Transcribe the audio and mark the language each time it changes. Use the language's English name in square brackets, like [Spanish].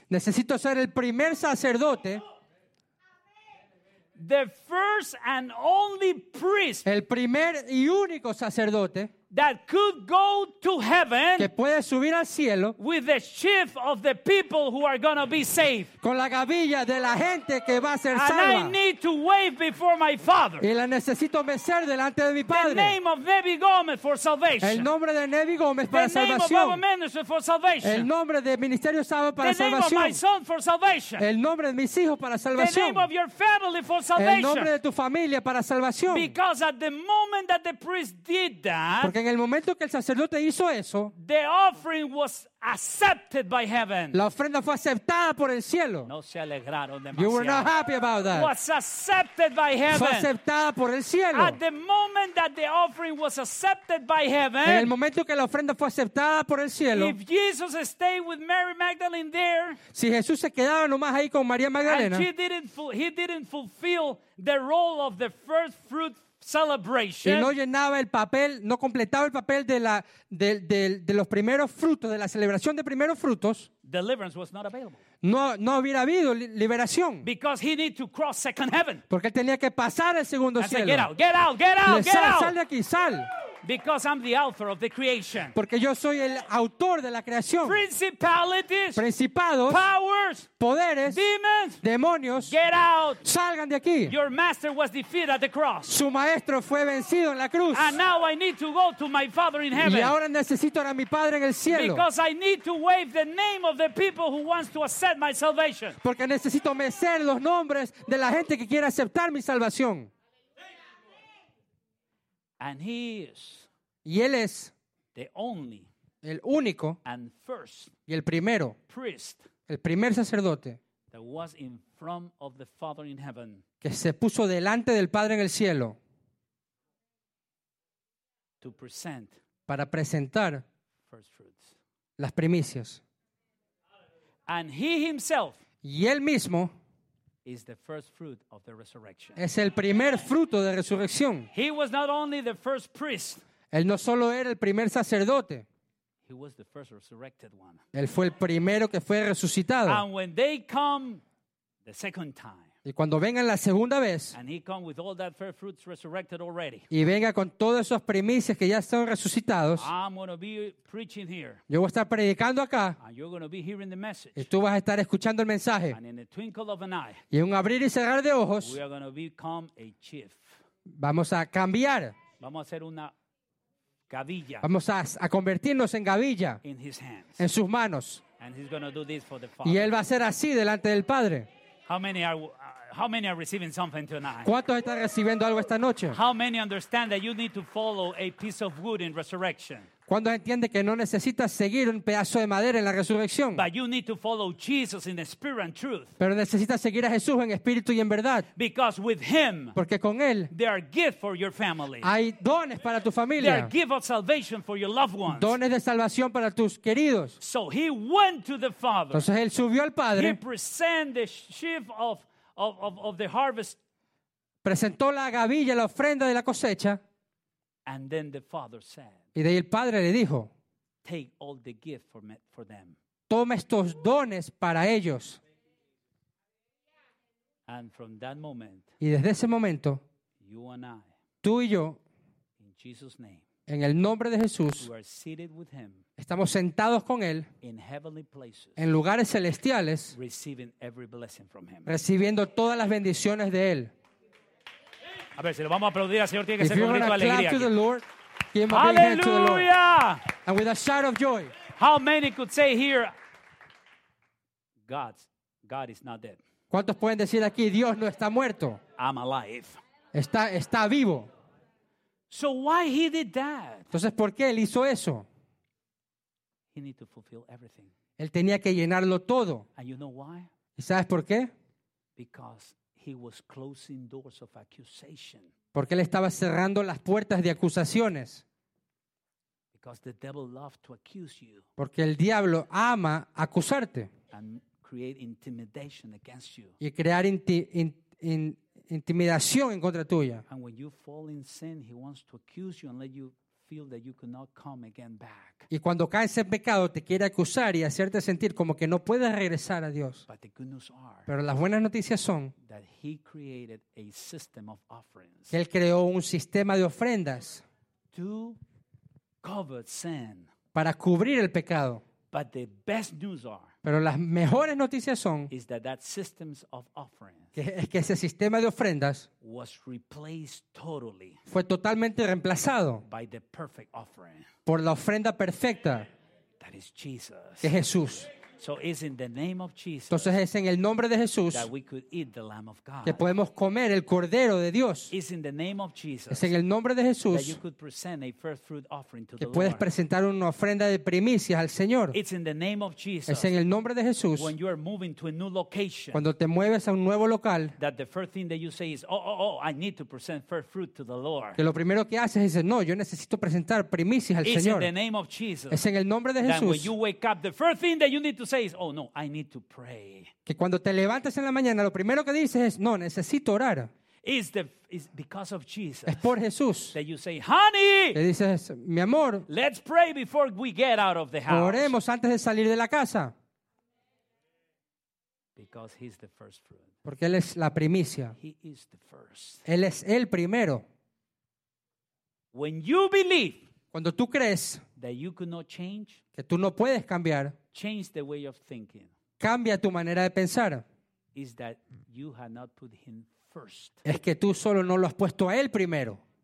[Spanish] Necesito ser el primer sacerdote. [English] The first and only priest. [Spanish] El primer y único sacerdote. [English] That could go to heaven [Spanish] que puede subir al cielo [English] with the chief of the people who are going to be saved. [Spanish] Con la gavilla de la gente que va a ser [English] and [Spanish] salva. [English] I need to wave before my father. [Spanish] Y la necesito mecer delante de mi padre. [English] The name of Nevi Gomez for salvation. [Spanish] El nombre de Nevi Gomez [English] the [Spanish] para [English] name [Spanish] salvación. [English] Of Baba Mendoza for salvation. [Spanish] El nombre de Ministerio Saba para [English] the [Spanish] salvación. [English] Name of my son for salvation. [Spanish] El nombre de mis hijos para salvación. [English] The name of your family for salvation. [Spanish] El nombre de tu familia para salvación. [English] Because at the moment that the priest did that, [Spanish] porque en el momento que el sacerdote hizo eso, [English] the offering was accepted by heaven. [Spanish] La ofrenda fue aceptada por el cielo. No se alegraron demasiado. [English] You were not happy about that. Was accepted by heaven. [Spanish] Fue aceptada por el cielo. [English] At the moment that the offering was accepted by heaven. [Spanish] En el momento que la ofrenda fue aceptada por el cielo. [English] If Jesus stayed with Mary Magdalene there. [Spanish] Si Jesús se quedaba nomás ahí con María Magdalena. [English] And he didn't fulfill the role of the first fruit celebration. [Spanish] Y no llenaba el papel, no completaba el papel de la de los primeros frutos, de la celebración de primeros frutos. [English] Deliverance was not available. [Spanish] No hubiera habido liberación. [English] Because he need to cross second heaven. [Spanish] Porque él tenía que pasar el segundo [English] I [Spanish] cielo. [English] Said, get out. [Spanish] Sal de aquí, sal. [English] Because I'm the author of the creation. [Spanish] Porque yo soy el autor de la creación. [English] Principalities. [Spanish] Principados. [English] Powers. [Spanish] Poderes. [English] Demons. [Spanish] Demonios. [English] Get out. [Spanish] Salgan de aquí. [English] Your master was defeated at the cross. [Spanish] Su maestro fue vencido en la cruz. [English] And now I need to go to my Father in heaven. [Spanish] Y ahora necesito ir a mi Padre en el cielo. [English] Because I need to wave the name of the people who wants to accept my salvation. [Spanish] Porque necesito mecer los nombres de la gente que quiere aceptar mi salvación. [English] And he is [Spanish] y él es [English] the only [Spanish] el único [English] and first [Spanish] y el primero [English] priest [Spanish] el primer sacerdote [English] that was in front of the Father in heaven [Spanish] que se puso delante del Padre en el cielo [English] to present [Spanish] para presentar [English] first fruits [Spanish] las primicias [English] and he himself [Spanish] y él mismo [English] is the first fruit of the resurrection. [Spanish] Es el primer fruto de resurrección. [English] He was not only the first priest. [Spanish] Él no solo era el primer sacerdote. [English] He was the first resurrected one. [Spanish] Él fue el primero que fue resucitado. [English] And when they come the second time. [Spanish] Y cuando vengan la segunda vez. [English] And he come with all that first fruits resurrected already. [Spanish] Y venga con todas esas primicias que ya están resucitados. [English] I'm going to be preaching here. [Spanish] Yo voy a estar predicando acá. [English] And you're going to be hearing the message. [Spanish] Y tú vas a estar escuchando el mensaje. [English] And in the twinkle of an eye. [Spanish] Y en un abrir y cerrar de ojos. [English] We are going to become a chief. [Spanish] Vamos a cambiar. Vamos a hacer una gavilla. Vamos a convertirnos en gavilla. [English] In his hands. [Spanish] En sus manos. [English] And he's going to do this for the Father. [Spanish] Y él va a hacer así delante del Padre. [English] How many are How many are receiving something tonight? [Spanish] ¿Cuántos están recibiendo algo esta noche? [English] How many understand that you need to follow a piece of wood in resurrection? [Spanish] ¿Cuántos entiende que no necesitas seguir un pedazo de madera en la resurrección? [English] But you need to follow Jesus in spirit and truth. [Spanish] Pero necesitas seguir a Jesús en espíritu y en verdad. [English] Because with him, [Spanish] porque con él, [English] there are gifts for your family. [Spanish] Hay dones para tu familia. [English] There are gifts of salvation for your loved ones. [Spanish] Dones de salvación para tus queridos. [English] So he went to the Father. [Spanish] Entonces él subió al Padre. [English] He presented the sheaf of the harvest. [Spanish] Presentó la gavilla, la ofrenda de la cosecha. [English] And then the Father said, [Spanish] y de ahí el Padre le dijo, [English] take all the gift for me, for them. [Spanish] Toma estos dones para ellos. [English] And from that moment, [Spanish] y desde ese momento, [English] you and I, [Spanish] tú y yo, [English] in Jesus' name, [Spanish] en el nombre de Jesús, [English] we are seated with him, [Spanish] estamos sentados con Él [English] in heavenly places, [Spanish] en lugares celestiales, [English] receiving every blessing from him. [Spanish] Recibiendo todas las bendiciones de Él. A ver, si lo vamos a aplaudir al Señor, tiene que ser con grito de alegría. [English] Clap to the Lord, give him a big hand to the Lord. And with a shout of joy. How many could say here, God is not dead. [Spanish] ¿Cuántos pueden decir aquí, Dios no está muerto? [English] I'm alive. [Spanish] Está vivo. [English] So why he did that? [Spanish] Entonces, ¿por qué él hizo eso? [English] He need to fulfill everything. [Spanish] Él tenía que llenarlo todo. [English] And you know why? [Spanish] ¿Y sabes por qué? [English] Because he was closing doors of accusation. [Spanish] Porque él estaba cerrando las puertas de acusaciones. [English] Because the devil loves to accuse you. [Spanish] Porque el diablo ama acusarte. [English] And create intimidation against you. [Spanish] Y crear intimidación en contra tuya. [English] And when you fall in sin, he wants to accuse you and let you feel that you cannot come again back. [Spanish] Y cuando caes en pecado, te quiere acusar y hacerte sentir como que no puedes regresar a Dios. [English] But the good news are, [Spanish] pero las buenas noticias son [English] that he created a system of offerings, [Spanish] que él creó un sistema de ofrendas [English] to cover sin, [Spanish] para cubrir el pecado. [English] But the best news are, [Spanish] pero las mejores noticias son [English] is that systems of offerings [Spanish] que es que ese sistema de ofrendas [English] was replaced totally [Spanish] fue totalmente reemplazado [English] by the perfect offering [Spanish] por la ofrenda perfecta [English] that is Jesus. [Spanish] Que es Jesús. [English] So it's in the name of Jesus. [Spanish] Entonces es en el nombre de Jesús [English] that we could eat the Lamb of God. [Spanish] Que podemos comer el Cordero de Dios. [English] It's in the name of Jesus. [Spanish] Es en el nombre de Jesús [English] that you could present a first fruit offering to [Spanish] que [English] the [Spanish] puedes [English] Lord. [Spanish] Presentar una ofrenda de primicias al Señor. [English] It's in the name of Jesus. [Spanish] Es en el nombre de Jesús [English] when you are moving to a new location, [Spanish] cuando te mueves a un nuevo local [English] that the first thing that you say is, oh, I need to present first fruit to the Lord. [Spanish] Que lo primero que haces es, no, yo necesito presentar primicias al [English] it's [Spanish] Señor. [English] In the name of Jesus. [Spanish] Es en el nombre de Jesús [English] that when you wake up, the first thing that you need to says, oh no, I need to pray. [Spanish] Que cuando te levantas en la mañana, lo primero que dices es, no, necesito orar. [English] It's because of Jesus. [Spanish] Es por Jesús. [English] That you say, honey. [Spanish] Que dices, mi amor. [English] Let's pray before we get out of the house. [Spanish] Oremos antes de salir de la casa. [English] Because he's the first fruit. [Spanish] Porque él es la primicia. [English] He is the first. [Spanish] Él es el primero. [English] When you believe. [Spanish] Cuando tú crees [English] that you could not change, [Spanish] que tú no puedes cambiar, [English] change the way of thinking. [Spanish] Cambia tu manera de pensar. [English] Is that you have not put him first. [Spanish] Es que tú solo no lo has puesto a él primero.